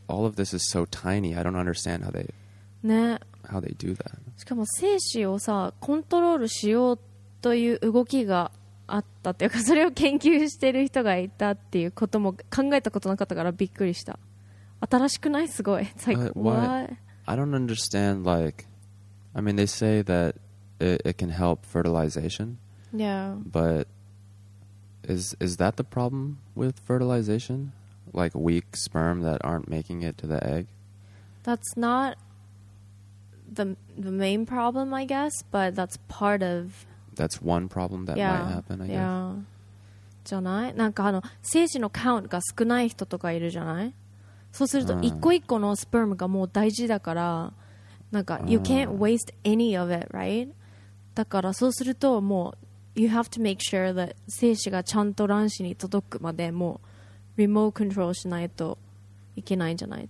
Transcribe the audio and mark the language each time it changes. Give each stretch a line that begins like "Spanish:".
English: All of this is so tiny. I don't understand how they...
Japanese: ね。
English: How they do that.
Japanese: しかも精子をさ、コントロールしようという動きがあったというか、それを研究してる人がいたっていうことも考えたことなかったからびっくりした。新しくない？すごい。
English: It's like, why? I don't understand, like... I mean, they say that it can help fertilization. Yeah. But is that the problem with fertilization? Like weak sperm that aren't making it to the egg? That's not... The main problem, I guess, but that's part of... That's one problem that yeah, might happen, I yeah. guess.
Japanese: じゃない？なんか精子のカウントが少ない人とかいるじゃない？そうすると一個一個のスパームがもう大事だから、なんか
English: you can't waste any of it, right?
Japanese: だからそうするともう
English: you have to make sure that
Japanese: 精子がちゃんと卵子に届くまでもうリモートコントロールしないといけないんじゃない？